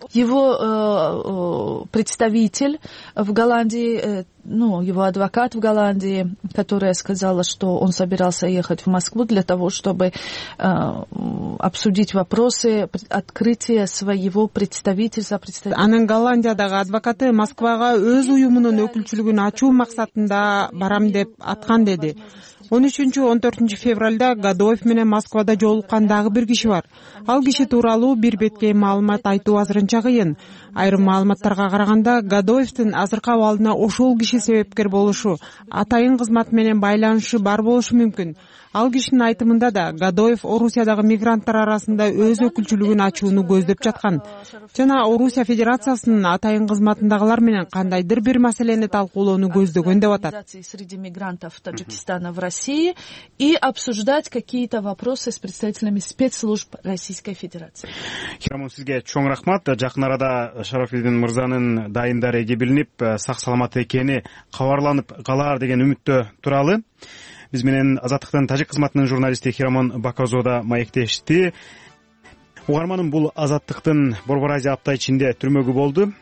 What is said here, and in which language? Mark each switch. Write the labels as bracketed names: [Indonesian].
[Russian] Его представитель в Голландии, его адвокат в Голландии, которая сказала, что он собирался ехать в Москву для того, чтобы обсудить вопросы открытия своего представительства. [Kyrgyz] Анын Голландиядагы адвокаты Москвага өз уюмунун өкүлчүлүгүн ачуу максатында барам деп аткан деди. 13-14 февралда Гадоев менен Москвада жолуккан дагы бир киши бар. Ал киши тууралуу бир беткей маалымат айтуу азырынча кыйын. Айрым маалыматтарга караганда Гадоевдин азыркы абалына ошол киши себепкер болушу, атайын кызмат менен байланышы бар болушу мүмкүн. Ал кишинин айтымында да Гадоев Орусиядагы мигранттар арасында өз өкүлчүлүгүн ачууну көздөп жаткан жана Орусия Федерациясынын атайын кызматындагылар менен кандайдыр бир маселени талкуулоону көздөгөн деп атат. [Russian] Среди мигрантов Таджикистана в России и обсуждать какие-то вопросы с представителями спецслужб Российской Федерации. [Kyrgyz] Хирамон, сизге чоң рахмат. Жакын арада Шарафиддин мырзанын дайындары эги билинип, сак саламат экени кабарланып калар деген үмүттө туралы. Биз менен Азаттыктын тажик кызматынын журналисти Хирамон Бакозода маектешти. Угарманым, бул Азаттыктын Борбор Азия апта ичинде түрмөгү болду.